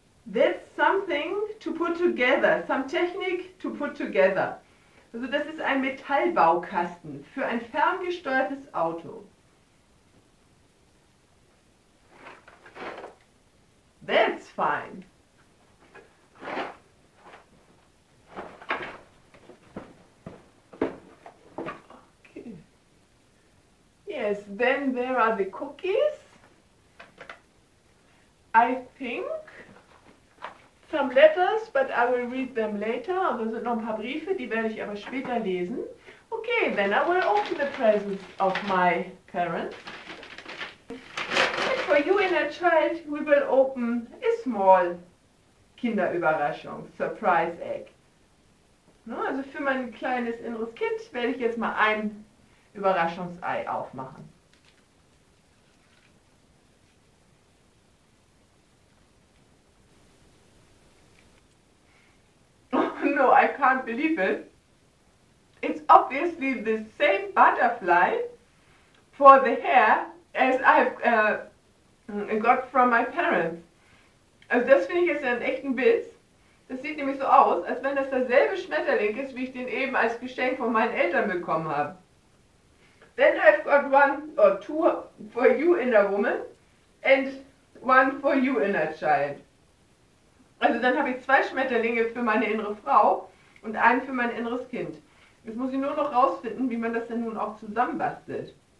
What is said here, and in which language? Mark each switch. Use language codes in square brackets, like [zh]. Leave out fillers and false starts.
[en] That's something to put together, some technique to put together. [de] Also das ist ein Metallbaukasten für ein ferngesteuertes Auto. [en] That's fine. Okay. Yes, then there are the cookies. I think. Some letters, but I will read them later. [de] Also sind noch ein paar Briefe, die werde ich aber später lesen. [en] Okay, then I will open the presents of my parents. And for you inner child, we will open a small Kinderüberraschung, surprise egg. [de] Also für mein kleines inneres Kind werde ich jetzt mal ein Überraschungsei aufmachen. [en] No, I can't believe it. It's obviously the same butterfly for the hair as I've got from my parents. [de] Also das finde ich jetzt einen echten Witz, Das sieht nämlich so aus, als wenn das derselbe Schmetterling ist, wie ich den eben als Geschenk von meinen Eltern bekommen habe. [en] Then I've got one or two for you in a woman and one for you in a child. [de] Also dann habe ich zwei Schmetterlinge für meine innere Frau und einen für mein inneres Kind. Jetzt muss ich nur noch rausfinden, wie man das denn nun auch zusammenbastelt.